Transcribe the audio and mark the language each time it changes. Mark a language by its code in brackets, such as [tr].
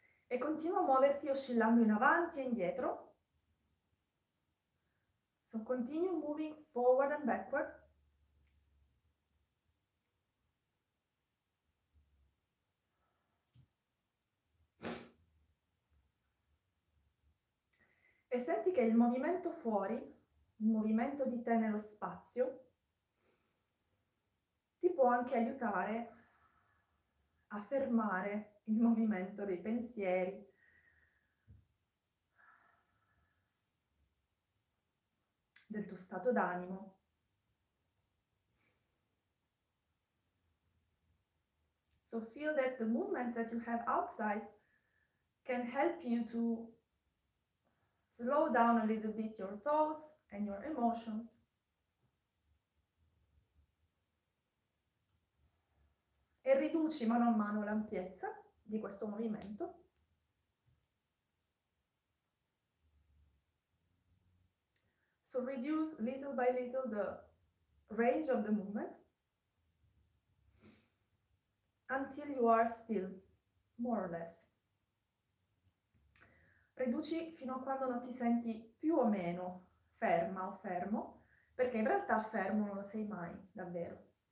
[it] E continua a muoverti oscillando in avanti e indietro. [en] So continue moving forward and backward. [it] E senti che il movimento fuori, il movimento di te nello spazio, ti può anche aiutare a fermare il movimento dei pensieri. Del tuo stato d'animo. [en] So feel that the movement that you have outside can help you to slow down a little bit your thoughts and your emotions. [it] E riduci mano a mano l'ampiezza di questo movimento. [en] So reduce little by little the range of the movement until you are still, more or less. [it] Riduci fino a quando non ti senti più o meno ferma o fermo, perché in realtà fermo non lo sei mai, davvero.